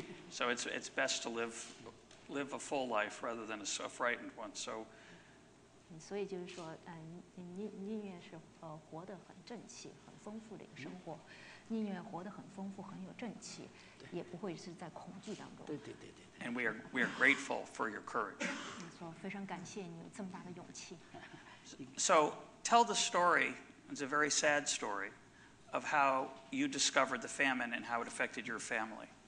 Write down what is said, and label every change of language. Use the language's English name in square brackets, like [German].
[English] So it's best to live a full life rather than a frightened one. So. [Chinese] 所以就是说，宁愿是活得很正气、很丰富的一个生活，宁愿活得很丰富、很有正气，也不会是在恐惧当中。对对对对。 [English] And we are grateful for your courage. [Chinese] 没错，非常感谢你有这么大的勇气。 [English] So tell the story. It's a very sad story of how you discovered the famine and how it affected your family.